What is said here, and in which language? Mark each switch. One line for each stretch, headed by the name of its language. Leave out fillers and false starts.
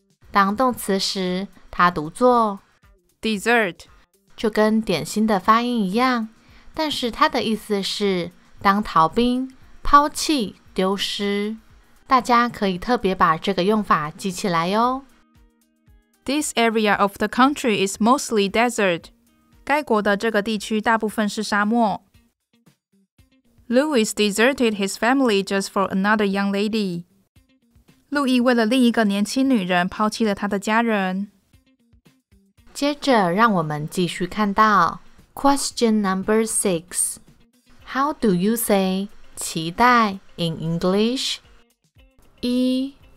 Chinese: 当动词时，它读作
English: dessert，
Chinese: 就跟点心的发音一样，但是它的意思是当逃兵、抛弃、丢失。大家可以特别把这个用法记起来哦。
English: This area of the country is mostly desert.
Chinese: 该国的这个地区大部分是沙漠。
English: Louis deserted his family just for another young lady.
Chinese: 路易为了另一个年轻女人抛弃了他的家人。接着让我们继续看到 Question number 6 How do you say 期待 in English? 一